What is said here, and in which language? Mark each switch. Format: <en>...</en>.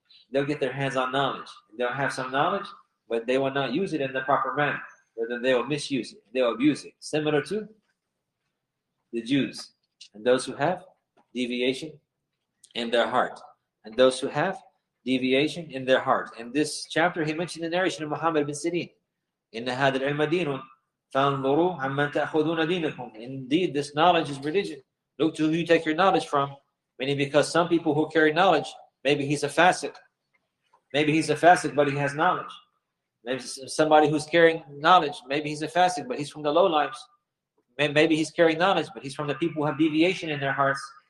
<en>They'll have some knowledge, but they will not use it in the proper manner. Rather, they will misuse it. They'll abuse it. Similar to the Jews and those who have deviation in their heart. In this chapter, he mentioned the narration of Muhammad bin Sirin.</en> <ar>إن هذا العلم دين فانظروا عمن تأخذون دينكم.</ar> <en>Indeed, this knowledge is religion. Look to who you take your knowledge from. Meaning because some people who carry knowledge, maybe he's a fasiq. Maybe he's a fasiq, but he has knowledge. Maybe somebody who's carrying knowledge, maybe he's a fasiq, but he's from the low lives. Maybe he's carrying knowledge, but he's from the people who have deviation in their hearts.</en>